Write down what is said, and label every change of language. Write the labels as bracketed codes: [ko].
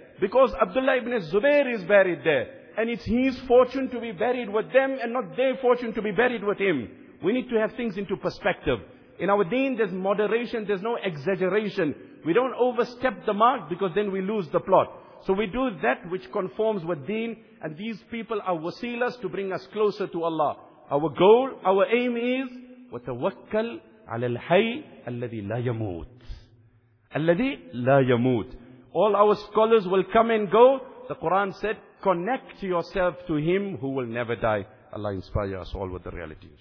[en] Because Abdullah ibn Zubair is buried there. And it's his fortune to be buried with them and not their fortune to be buried with him. We need to have things into perspective. In our deen, there's moderation, there's no exaggeration. We don't overstep the mark because then we lose the plot. So we do that which conforms with deen, and these people are wasilas to bring us closer to Allah. Our goal, our aim is, [ar] وَتَوَكَّلْ عَلَى الْحَيِّ الَّذِي لَا يَمُوتِ الَّذِي لَا يَمُوتِ. [en] All our scholars will come and go. The Quran said, connect yourself to him who will never die. Allah inspire us all with the reality, inshallah.